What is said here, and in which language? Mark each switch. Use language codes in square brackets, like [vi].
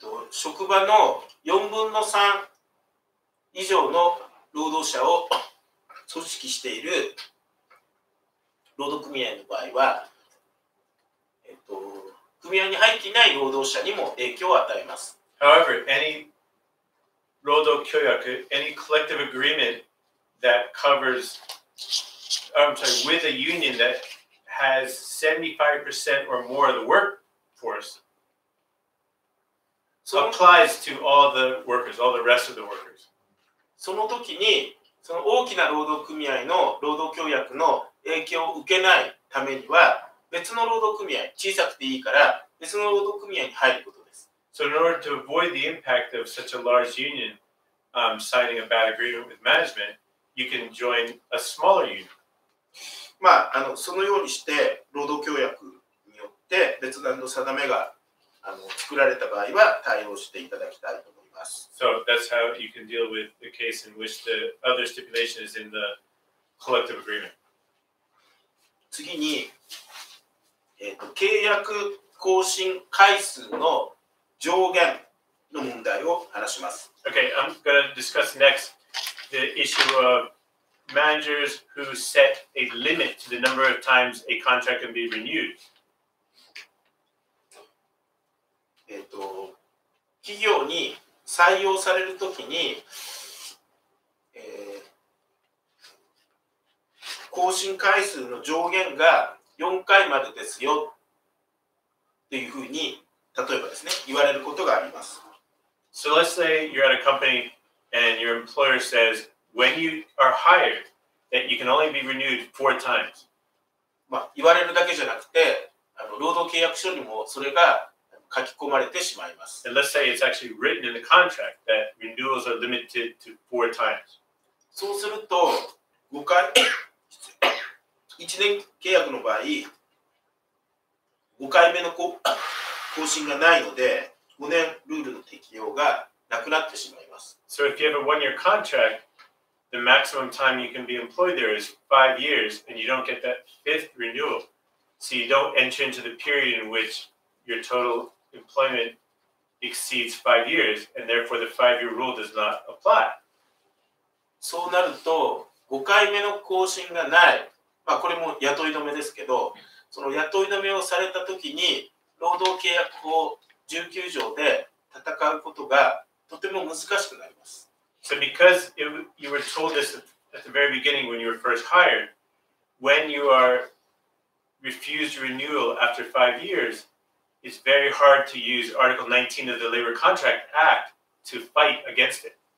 [ja] 職場の4分の3以上の労働者を組織している労働組合の場合は、組合に入っていない労働者にも影響を与えます。 [en] However, any 労働協約、any collective agreement that covers, I'm sorry, with a union that has 75% or more of the workforce. Applies to all the workers, all the rest of the workers. [ja] その時に、その大きな労働組合の労働協約の影響を受けないためには、別の労働組合、小さくていいから、別の労働組合に入ることです。 [en] So in order to avoid the impact of such a large union, signing a bad agreement with management, you can join a smaller union. [ja] まあ、そのようにして労働協約によって別段の定めが作られた場合は対応していただきたいと思います。 [en] So that's how you can deal with the case in which the other stipulation is in the collective agreement. [ja] 次に、契約更新回数の上限の問題を話します。 [en] Okay, I'm going to discuss next the issue of managers who set a limit to the number of times a contract can be renewed. [ja] 企業に採用されるときに、更新回数の上限が4回までですよというふうに例えばですね言われることがあります。 [en] So let's say you're at a company and your employer says when you are hired that you can only be renewed 4 times、 [ja] まあ、言われるだけじゃなくて労働契約書にもそれが書き込まれてしまいます。 [en] And let's say it's actually written in the contract that renewals are limited to 4 times. [ja] そうすると5回、1年契約の場合、5回目の更新がないので、5年ルールの適用がなくなってしまいます。 [en] So if you have a one-year contract, the maximum time you can be employed there is 5 years, and you don't get that fifth renewal. So you don't enter into the period in which your total... employment exceeds 5 years and therefore the 5-year rule does not apply. [ja] そうなると5回目の更新がない、まあ、これも雇い止めですけど、その雇い止めをされた時に労働契約法19条で戦うことがとても難しくなります。 [en] So because you were told this at the very beginning when you were first hired, when you are refused renewal after 5 yearsIt's very hard to use Article 19 of the Labor Contract Act to fight against it.